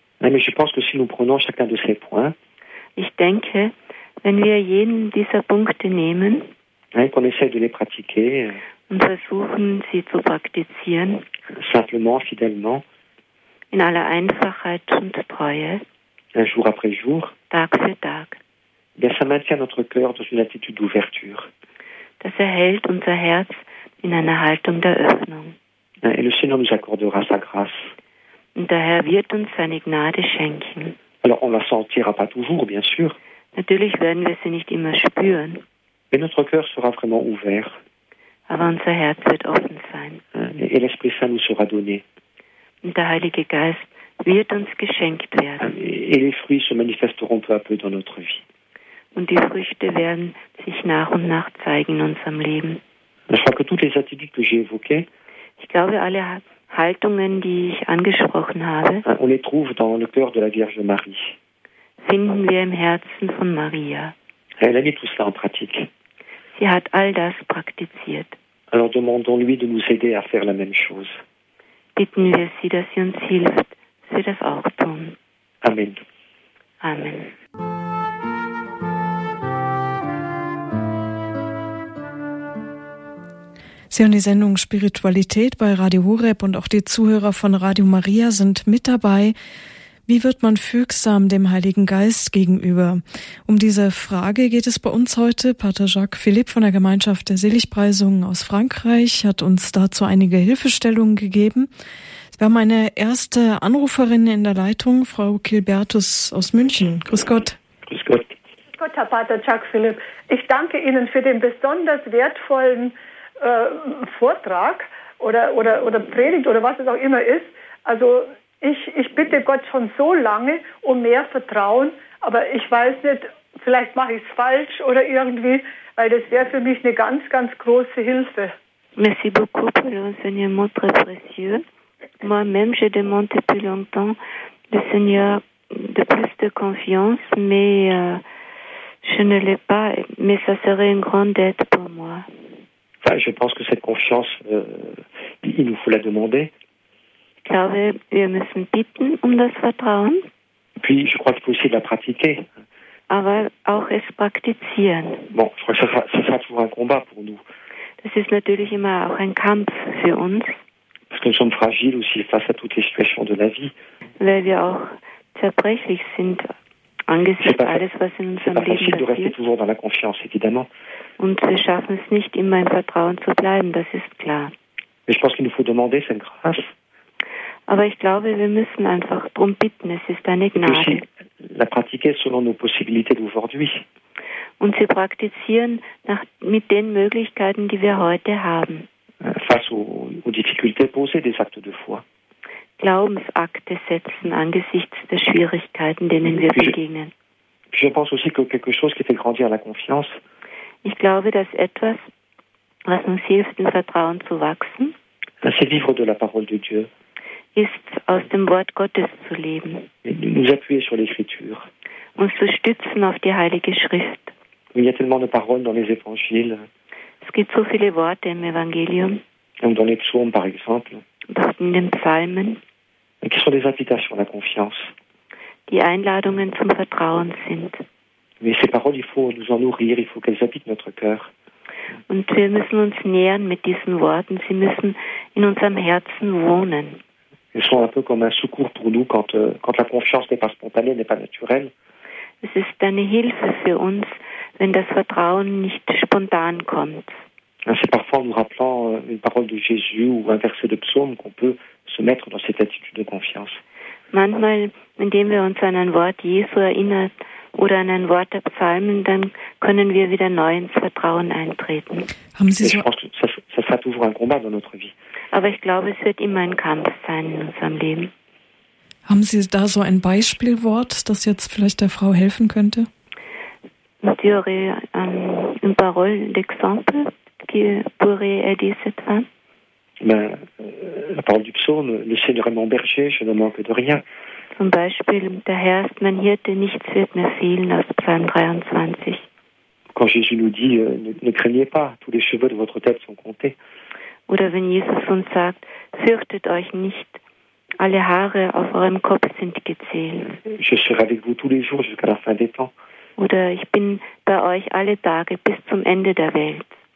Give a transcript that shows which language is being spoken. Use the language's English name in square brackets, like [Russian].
[French] Non, mais je pense que si nous prenons chacun de ces points, [German] ich denke, Wenn wir jeden dieser Punkte nehmen, [French] qu'on essaie de les pratiquer, [German] und versuchen, sie zu praktizieren, [French] simplement, fidèlement, [German] in aller Einfachheit und Treue, [French] un jour après jour, [German] Tag für Tag, [French] bien, ça maintient notre cœur dans une attitude d'ouverture. [German] Das erhält unser Herz in einer Haltung der Öffnung. [French] Et le Seigneur nous accordera sa grâce. [German] Und der Herr wird uns seine Gnade schenken. [French] Alors, on la sentira pas toujours, bien sûr. [German] Natürlich werden wir sie nicht immer spüren. [French] Mais notre cœur sera vraiment ouvert. [German] Aber unser Herz wird offen sein. [French] Et l'Esprit Saint nous sera donné. [German] Und der Heilige Geist wird uns geschenkt werden. [French] Et les fruits se manifesteront peu à peu dans notre vie. [German] Und die Früchte werden sich nach und nach zeigen in unserem Leben. [French] Je crois que toutes les attitudes que j'ai évoquées, [German] ich glaube, alle Haltungen, die ich angesprochen habe, [French] on les trouve dans le cœur de la Vierge Marie. [German] Finden wir im Herzen von Maria. [French] Elle a mis tout cela en pratique. [German] Sie hat all das praktiziert. [French] Alors demandons-lui de nous aider à faire la même chose. [German] Bitten wir sie, dass sie uns hilft, sie das auch tun. [French] Amen. [German] Amen. Sie haben die Sendung Spiritualität bei Radio Horeb und auch die Zuhörer von Radio Maria sind mit dabei. Wie wird man fügsam dem Heiligen Geist gegenüber? Um diese Frage geht es bei uns heute. Pater Jacques Philipp von der Gemeinschaft der Seligpreisungen aus Frankreich hat uns dazu einige Hilfestellungen gegeben. Wir haben eine erste Anruferin in der Leitung, Frau Kilbertus aus München. Grüß Gott. Grüß Gott. Grüß Gott, Herr Pater Jacques Philipp. Ich danke Ihnen für den besonders wertvollen Vortrag oder Predigt oder was es auch immer ist. Also ich bitte Gott schon so lange um mehr Vertrauen, aber ich weiß nicht, vielleicht mache ich es falsch oder irgendwie, weil das wäre für mich eine ganz, ganz große Hilfe. [French] Merci beaucoup pour l'enseignement très précieux. Moi-même, je demande depuis longtemps le Seigneur de plus de confiance, mais je ne l'ai pas, mais ça serait une grande aide pour moi. Enfin, je pense que cette confiance, il nous faut la demander. [German] Ich glaube, wir müssen bitten um das Vertrauen. [French] Puis, je crois qu'il faut aussi la pratiquer. [German] Aber auch es praktizieren. [French] Bon, je crois que ça sera toujours un combat pour nous. [German] Das ist natürlich immer auch ein Kampf für uns. [French] Parce que nous sommes fragiles aussi face à toutes les situations de la vie. [German] Weil wir auch zerbrechlich sind angesichts alles, was in unserem Leben passiert. [French] C'est pas facile de rester toujours dans la confiance, évidemment. [German] Und wir schaffen es nicht, immer im Vertrauen zu bleiben, das ist klar. [French] Mais je pense qu'il nous faut demander cette grâce. [German] Aber ich glaube, wir müssen einfach drum bitten, es ist eine Gnade. [French] Aussi, la pratiquer selon nos possibilités d'aujourd'hui. [German] Und sie praktizieren mit den Möglichkeiten, die wir heute haben. [French] Face aux difficultés posées des actes de foi. [German] Glaubensakte setzen angesichts der Schwierigkeiten, denen wir begegnen. [French] Je pense aussi que quelque chose qui fait grandir la confiance. [German] Ich glaube, dass etwas, was uns hilft, im Vertrauen zu wachsen, [French] c'est vivre de la parole de Dieu, [German] ist, aus dem Wort Gottes zu leben, [French] nous appuyer sur l'Écriture, [German] uns zu stützen auf die Heilige Schrift. [French] Il y a tellement de paroles dans les évangiles. [German] Es gibt so viele Worte im Evangelium. Und [French] dans les psaumes, par exemple. [German] Und in den Psalmen. [French] Qui sont des invitations à la confiance. [German] Die Einladungen zum Vertrauen sind. [French] Mais ces paroles, il faut nous en nourrir, il faut qu'elles habitent notre cœur. [German] Und wir müssen uns nähren mit diesen Worten. Sie müssen in unserem Herzen wohnen. [French] Elles sont un peu comme un secours pour nous quand la confiance n'est pas spontanée, n'est pas naturelle. [German] Es ist eine Hilfe für uns, wenn das Vertrauen nicht spontan kommt. [French] C'est parfois en nous rappelant une parole de Jésus ou un verset de psaume qu'on peut se mettre dans cette attitude de confiance. [German] Manchmal, indem wir uns an ein Wort Jesu erinnern oder an ein Wort der Psalmen, dann können wir wieder neu ins Vertrauen eintreten. Haben Sie so? Ich denke, das wird immer ein Kampf in unserer Leben. Aber ich glaube, es wird immer ein Kampf sein in unserem Leben. Haben Sie da so ein Beispielwort, das jetzt vielleicht der Frau helfen könnte? [French] Vous aurez une parole d'exemple qui pourrait aider cette femme? La parole du psaume, le Seigneur est mon berger, je ne manque de rien. [German] Zum Beispiel, der Herr ist mein Hirte, nichts wird mir fehlen, aus Psalm 23. [French] Quand Jésus nous dit, ne craignez pas, tous les cheveux de votre tête sont comptés. [German] Oder wenn Jesus uns sagt, fürchtet euch nicht, alle Haare auf eurem Kopf sind gezählt. [French] Je serai avec vous tous les jours jusqu'à la fin des temps. [German] oder ich bin bei euch alle Tage bis zum Ende der Welt.